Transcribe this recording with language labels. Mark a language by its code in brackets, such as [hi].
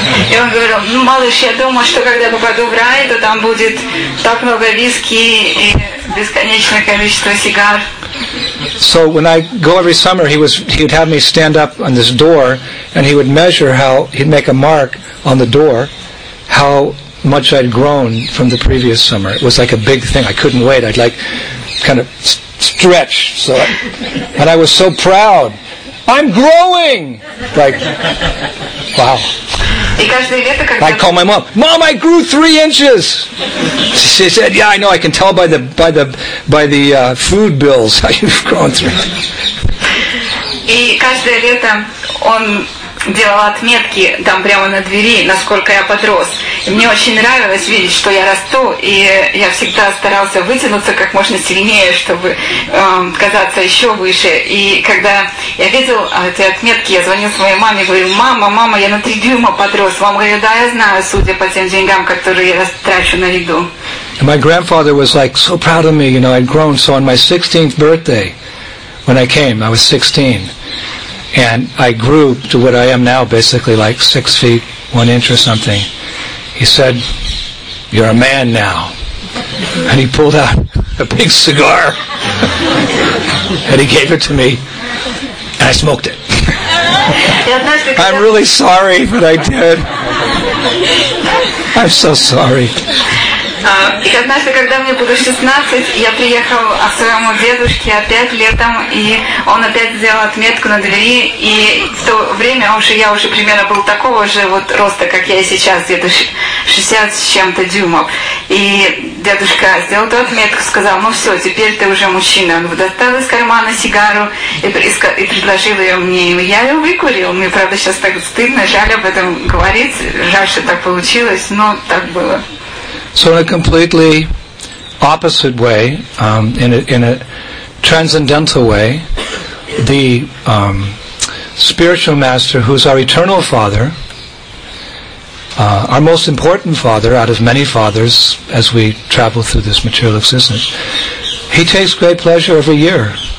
[ru] И он говорил, ну, малыш, я думаю, что когда я попаду в рай, то там будет так много виски и бесконечное количество сигар. [en] So when I go every summer, he'd have me stand up on this door, and he would measure how, he'd make a mark on the door, how much I'd grown from the previous summer. It was like a big thing. I couldn't wait. I'd like kind of stretch. So, and I was so proud. I'm growing! Like, wow. I call my mom. Mom, I grew 3 inches. She said, "Yeah, I know. I can tell by the food bills how you've grown 3 inches." [ru] И каждое лето он делал отметки там прямо на двери, насколько я подрос. И мне очень нравилось видеть, что я расту, и я всегда старался вытянуться как можно сильнее, чтобы казаться еще выше. И когда я видел эти отметки, я звонил своей маме и говорил: «Мама, мама, я на 3 дюйма подрос». Мама говорит: «Да, я знаю, судя по тем деньгам, которые я трачу на еду». [en] My grandfather was like so proud of me, you know, I'd grown. So on my 16th birthday, when I came, I was 16. And I grew to what I am now, basically like 6 feet, 1 inch or something. He said, "You're a man now." And he pulled out a big cigar and he gave it to me. And I smoked it. I'm really sorry, but I did. I'm so sorry. [ru] И однажды, когда мне было 16, я приехал к своему дедушке опять летом, и он опять сделал отметку на двери, и в то время я уже примерно был такого же вот роста, как я и сейчас, где-то 60 с чем-то дюймов. И дедушка сделал эту отметку, сказал: «Ну все, теперь ты уже мужчина». Он достал из кармана сигару и предложил ее мне. Я ее выкурил. Мне, правда, сейчас так стыдно, жаль об этом говорить, жаль, что так получилось, но так было. [en] So in a completely opposite way, in a transcendental way, the spiritual master, who's our eternal father, our most important father out of many fathers as we travel through this material existence, he takes great pleasure every year.